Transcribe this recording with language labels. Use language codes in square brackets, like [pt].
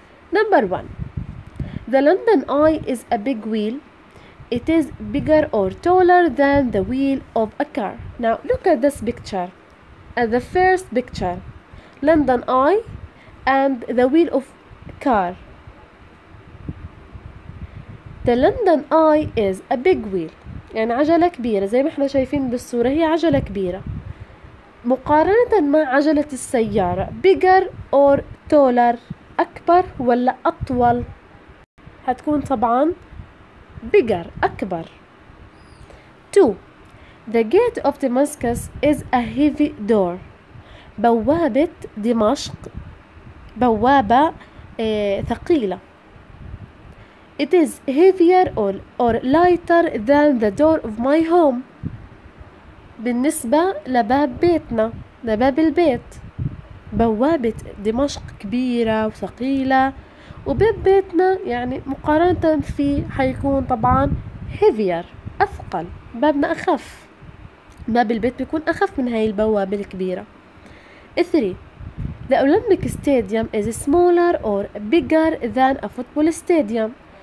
[en] number one the London eye is a big wheel it is bigger or taller than the wheel of a car. now look at this picture at the first picture London eye and the wheel of car. the London eye is a big wheel [ar] يعني عجلة كبيرة زي ما احنا شايفين بالصورة، هي عجلة كبيرة مقارنة مع عجلة السيارة [en] bigger or taller [ar] أكبر ولا أطول، هتكون طبعا [en] bigger [ar] أكبر. [en] 2 the gate of Damascus is a heavy door [ar] بوابة دمشق بوابة ثقيلة [en] it is heavier or lighter than the door of my home [ar] بالنسبة لباب بيتنا لباب البيت. بوابة دمشق كبيرة وثقيلة وباب بيتنا يعني مقارنة فيه حيكون طبعا [en] heavier [ar] أثقل، بابنا أخف، باب البيت بيكون أخف من هاي البوابة الكبيرة. [en] 3 the Olympic stadium is smaller or bigger than a football stadium.